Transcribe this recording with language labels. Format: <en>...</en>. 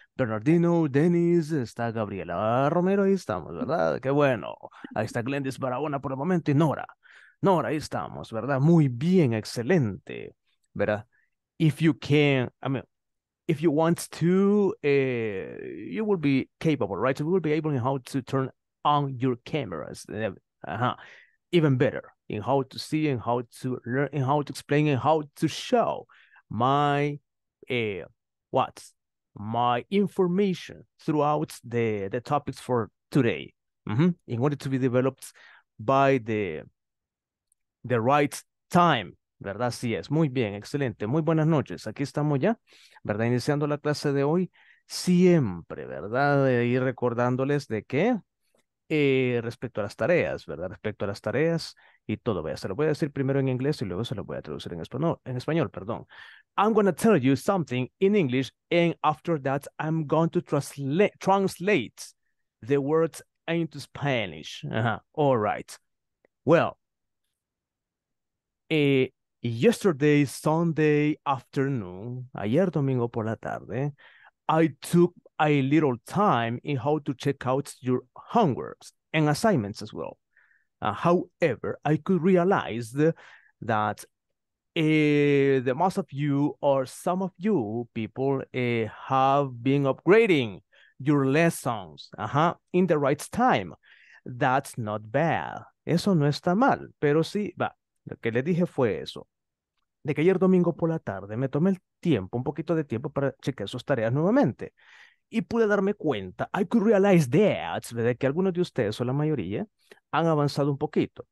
<es>Bernardino, Denis, está Gabriela Romero, ahí estamos, ¿verdad? Qué bueno. Ahí está Glendis Barahona por el momento y Nora. Nora, ahí estamos, ¿verdad? Muy bien, excelente, ¿verdad?</es> <en>If you can, I mean, if you want to, you will be capable, right? You will be able in how to turn on your cameras. Even better, in how to see, and how to learn, in how to explain, and how to show. My information throughout the topics for today, in order to be developed by the right time, ¿verdad?</en> <es>Sí es. Muy bien, excelente. Muy buenas noches. Aquí estamos ya, ¿verdad? Iniciando la clase de hoy, siempre, ¿verdad? Y recordándoles de qué respecto a las tareas, ¿verdad? Respecto a las tareas y todo. Vaya, se lo voy a decir primero en inglés y luego se lo voy a traducir en español, perdón.</es> <en>I'm going to tell you something in English, and after that, I'm going to translate the words into Spanish. All right. Well, yesterday Sunday afternoon,</en> <es>ayer domingo por la tarde,</es> <en>I took a little time in how to check out your homeworks and assignments as well. However, I could realize that the most of you or some of you people have been upgrading your lessons in the right time. That's not bad.</en> <es>Eso no está mal, pero sí, va, lo que le dije fue eso. De que ayer domingo por la tarde me tomé el tiempo, un poquito de tiempo para chequear sus tareas nuevamente. Y pude darme cuenta,</es> <en>I could realize that,</en> <es>de que algunos de ustedes o la mayoría han avanzado un poquito.</es>